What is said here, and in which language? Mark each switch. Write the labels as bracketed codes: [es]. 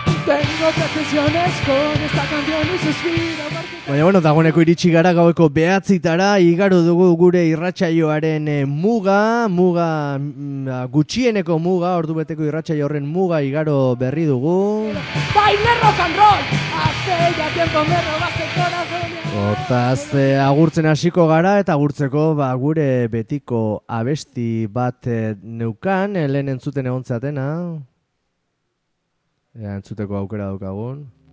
[es] Tengo pretensiones con esta canción y sus vidas. [eu] Baina, bueno, dagoeneko iritsi gara gaueko behatzitara, igaro dugu gure irratsaioaren muga, gutxieneko muga, ordu beteko irratsaio horren muga igaro berri dugu. [es] Baina rock and roll, hace ya tiempo me robaste el corazón. [eu] Hortaz, agurtzen hasiko gara eta agurtzeko ba, gure betiko abesti bat neukan, lehen entzuten egon zatena. Ja, entzuteko aukera daukagun.